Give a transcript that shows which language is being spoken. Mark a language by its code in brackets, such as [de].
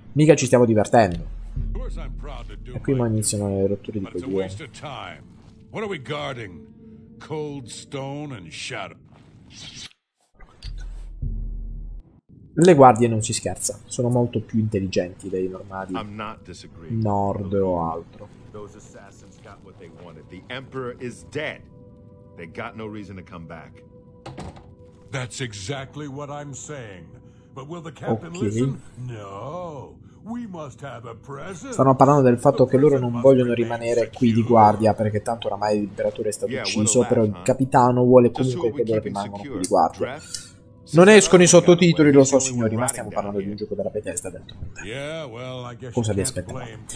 [it] Mica ci stiamo divertendo. E qui iniziano le rotture di coglioni. [en] What are we guarding? Cold stone and shadow. Le guardie non si scherza, sono molto più intelligenti dei normali nord o altro. Those assassins got what they wanted. The emperor is dead. They got no reason to come back. That's exactly what I'm saying. But will the captain listen? No. We must have a presence. [it] Stanno parlando del fatto che loro non vogliono rimanere qui di guardia perché tanto oramai l'imperatore è stato ucciso, però il capitano vuole comunque che loro rimangano qui di guardia. Non escono i sottotitoli, lo so signori, ma stiamo parlando di un gioco della Bethesda del tutto. Cosa vi aspettavate?